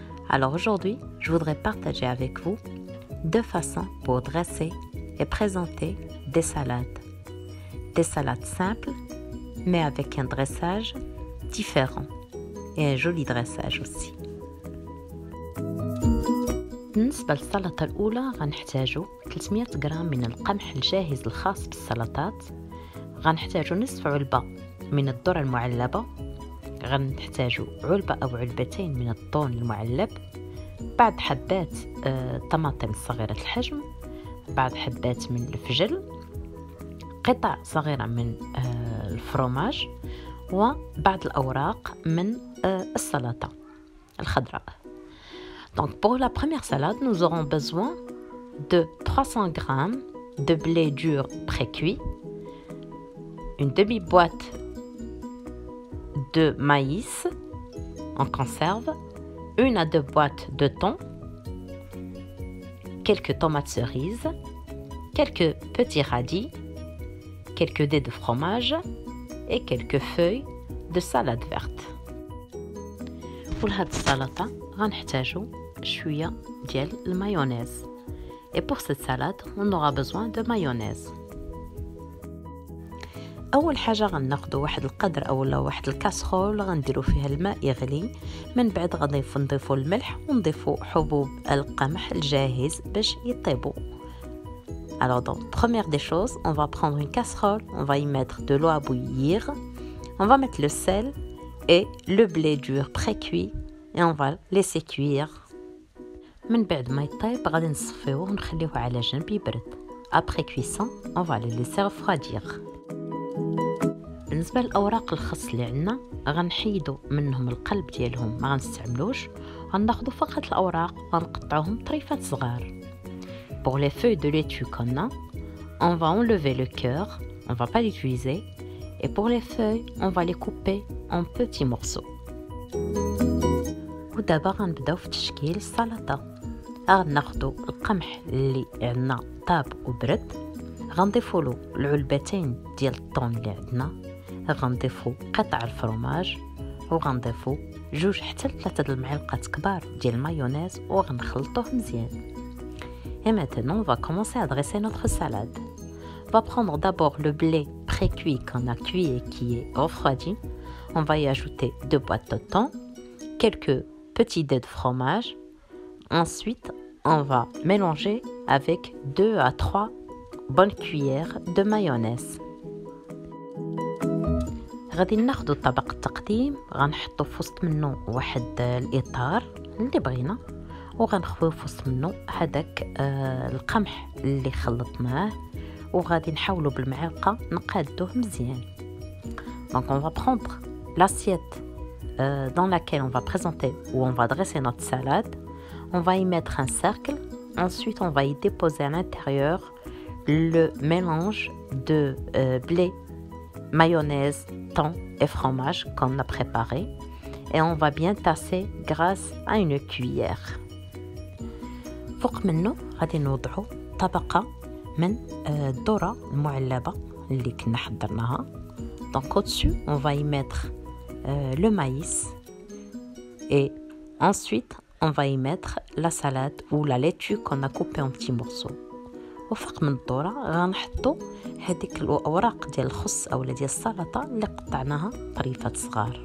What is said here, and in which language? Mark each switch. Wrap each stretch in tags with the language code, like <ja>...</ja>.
<fr>Alors aujourd'hui, je voudrais partager avec vous deux façons pour dresser et présenter des salades. Des salades simples, mais avec un dressage différent et un joli dressage aussi.</fr> <ar>بالنسبة للسلطة الأولى غنحتاج 300 غرام من القمح الجاهز الخاص بالسلطات، غنحتاج نصف علبة من الذرة المعلبة، غنحتاج علبة أو علبتين من الطون المعلب، بعض حبات طماطم صغيرة الحجم، بعض حبات من الفجل، قطع صغيرة من الفرماج، وبعض الأوراق من السلطة الخضراء.</ar> <fr>Donc pour la première salade, nous aurons besoin de 300 g de blé dur pré-cuit, une demi-boîte de maïs en conserve, une à deux boîtes de thon, quelques tomates cerises, quelques petits radis, quelques dés de fromage et quelques feuilles de salade verte. Pour cette salade, on va utiliser</fr> <ar>شوية ديال المايونيز.</ar> <fr>Et pour cette salade, on aura besoin de mayonnaise.</fr> <ar>اول حاجة غناخدو واحد القدر او واحد الكاسرول غنديرو فيها الماء يغلي، من بعد غادي نضيفو الملح ونضيفو حبوب القمح الجاهز باش يطيبو.</ar> <fr>Alors donc première des choses, on va prendre une casserole, on va y mettre de l'eau à bouillir. On va mettre le sel et le blé dur pré-cuit et on va laisser cuire.</fr> <ar>من بعد ما يطيب غادي نصفيه ونخليه على جنب يبرد.</ar> <fr>Après cuisson, on va le laisser refroidir.</fr> <ar>بالنسبة للأوراق الخس اللي عندنا غنحيدو منهم القلب ديالهم، ما غنستعملوش. غناخدو فقط الأوراق ونقطعهم طريفات صغار.</ar> <fr>Pour les feuilles de laitue qu'on a, on va enlever le cœur, on va pas l'utiliser. Et pour les feuilles, on va les couper en petits morceaux.</fr> <ar>ودابا غنبداو في تشكيل السلطة. غناخدو القمح اللي عندنا طاب وبرد، غنضيفو له العلبتين ديال الطون اللي عندنا، غنضيفو قطع الفرماج، وغنضيفو جوج حتى ثلاثة د المعلقات كبار ديال المايونيز وغنخلطوه مزيان.</ar> <fr>Et maintenant on va commencer à dresser notre salade. On va prendre d'abord le blé pré-cuit qu'on a cuit et qui est refroidi. On va y ajouter deux boîtes de thon, quelques petit dé de fromage. Ensuite, on va mélanger avec 2 à 3 bonnes cuillères de mayonnaise.</fr> <ar>غادي ناخذ طبق التقديم، غنحطو في وسط منه واحد الاطار اللي بغينا، وغنخوي في وسط منه هذاك القمح اللي خلطناه، وغادي نحاولوا بالمعلقه نقادوه مزيان.</ar> <fr>Donc on va prendre l'assiette dans laquelle on va présenter ou on va dresser notre salade. On va y mettre un cercle, ensuite on va y déposer à l'intérieur le mélange de blé, mayonnaise, thon et fromage qu'on a préparé, et on va bien tasser grâce à une cuillère.</fr> <ar>فوق منه غادي نوضعو طبقة من الذرة المعلبة اللي كنا حضرناها.</ar> <fr>Donc au-dessus on va y mettre le maïs, et ensuite on va y mettre la salade ou la laitue qu'on a coupée en petits morceaux. Au fond de l'eau, on va mettre les feuilles de خس ou de salade que nous avons coupées en petits morceaux.</fr>